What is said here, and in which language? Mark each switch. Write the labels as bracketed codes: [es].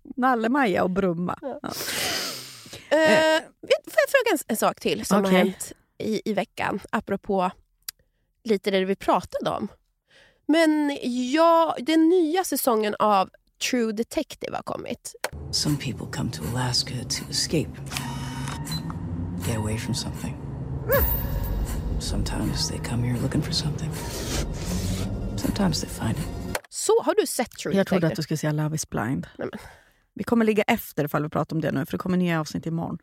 [sv] Nalle Maja och Brumma. Ja. Får jag fråga en sak till som har hänt i veckan, apropå lite det vi pratade om. Men ja, den nya säsongen av True Detective har kommit. [en] Some people come to Alaska to escape. Get away from something. Sometimes they come here looking for something. Sometimes they find it. [sv] Så, har du sett [en] True [sv] Detective? Jag trodde att du skulle säga Love is Blind. Nej, men. Vi kommer ligga efter ifall vi pratar om det nu, för det kommer nya avsnitt imorgon.